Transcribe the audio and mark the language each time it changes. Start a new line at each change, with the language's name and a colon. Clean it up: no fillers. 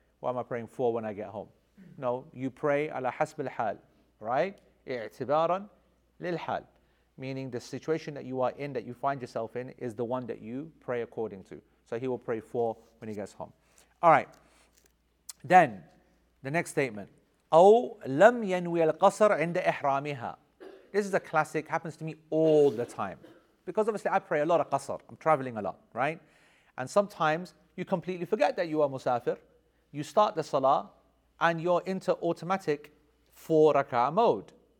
English: Why am I praying 4 when I get home? No, you pray
Arabic: ala hasb al hal,
English: right?
Arabic: I'tibaran lil hal,
English: meaning the situation that you are in, that you find yourself in, is the one that you pray according to. So he will pray 4 when he gets home. All right. Then, the next statement.
Arabic: أو لم ينوي القصر عند إحرامها.
English: This is a classic, happens to me all the time. Because obviously I pray a lot of qasr, I'm traveling a lot, right? And sometimes you completely forget that you are musafir, you start the salah, and you're into automatic 4-raka'ah mode.